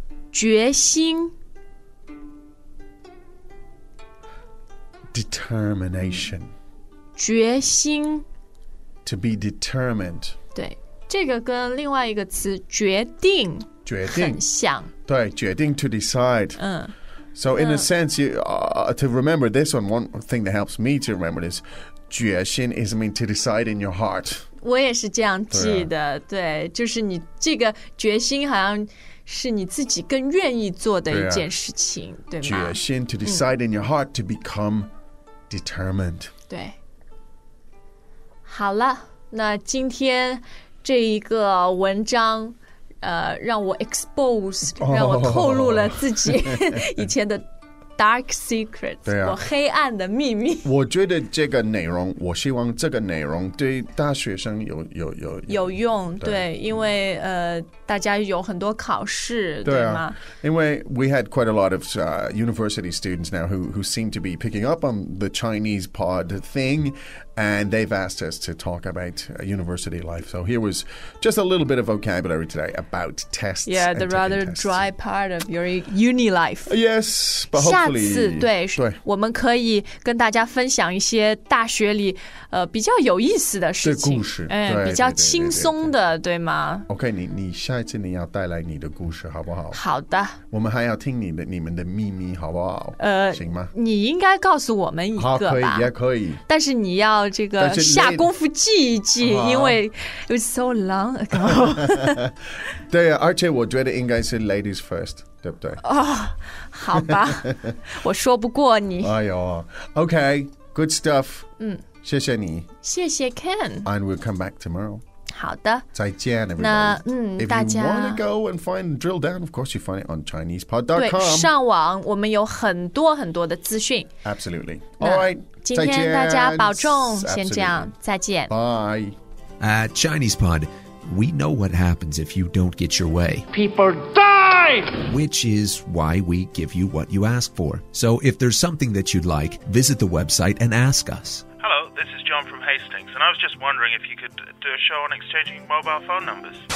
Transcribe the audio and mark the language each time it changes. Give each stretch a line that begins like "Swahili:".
Chinese: 决心。
English: Determination.
Chinese: 决心
English: To be determined.
Chinese: 对这个跟另外一个词决定决定很像对决定
English: to decide. So in a sense, to remember this one, one thing that helps me to remember this, 决心 is mean to decide in your heart.
Chinese: 我也是这样记的 对, 对就是你这个决心好像是你自己更愿意做的一件事情 对,、
English: 决心 to decide in your heart to become determined
Chinese: 对好了那今天这一个文章让我 exposed、让我透露了自己以前的
English: dark secret
Chinese: 对、我黑暗的秘密我觉得这个内容我希望这个内容对大学生有用对, 对因为大家有很多考试对,、对吗
English: 因为 we had quite a lot of university students now who seem to be picking up on the Chinese pod thing and they've asked us to talk about university life so here was just a little bit of vocabulary today about tests yeah the rather dry part of your uni life yes but hopefully
Chinese: 下次 对, 对我们可以跟大家分享一些大学里比较有意思的事情故事、比较轻松的对, 对, 对, 对吗 OK 你下一次你要带来你的故事好不好好的我们还要听你们的秘密好不好行吗你应该告诉我们一个吧好可以也可以但是你要这个下功夫记一记因为
English: it was so long ago
Chinese: 对啊而且我觉得应该是
English: ladies first
Chinese: 对不对、好吧我说不过你
English: 哎呦 OK good stuff
Chinese: 谢谢你谢谢 Ken
English: and we'll come back tomorrow
Chinese: 好的再见 everybody 那、
English: If you want to go and find drill down Of course you find it on ChinesePod.com
Chinese: 对上网我们有很多很多的资讯
English: Absolutely Alright
Chinese: 今天大家保重先这样再见
English: Bye At ChinesePod We know what happens if you don't get your way People die Which is why we give you what you ask for So if there's something that you'd like Visit the website and ask us Hello this is John from Hastings And I was just wondering if you could do a show on exchanging mobile phone numbers.